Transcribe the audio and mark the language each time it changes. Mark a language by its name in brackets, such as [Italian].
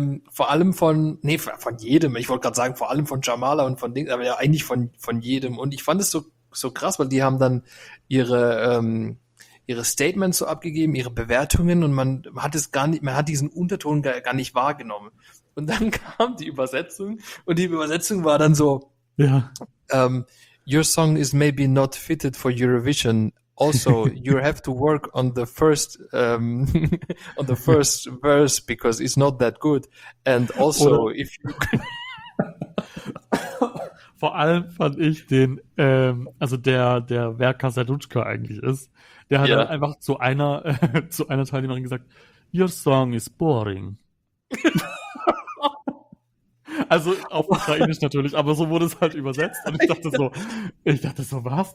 [German] Vor allem von jedem. Ich wollte gerade sagen, vor allem von Jamala und von Ding, aber ja eigentlich von jedem. Und ich fand es so krass, weil die haben dann ihre Statements so abgegeben, ihre Bewertungen, und man hat diesen Unterton gar nicht wahrgenommen. Und dann kam die Übersetzung, und die Übersetzung war dann so, ja. [English] Your song is maybe not fitted for Eurovision. Also, you have to work on the first on the first verse, because it's not that good. And also, if you... [German] Vor allem fand ich den, also der Verka Sadutschka eigentlich ist, der hat dann einfach zu einer Teilnehmerin gesagt, [English] your song is boring. [German] Also auf Ukrainisch natürlich, aber so wurde es halt übersetzt. Und ich dachte so, was?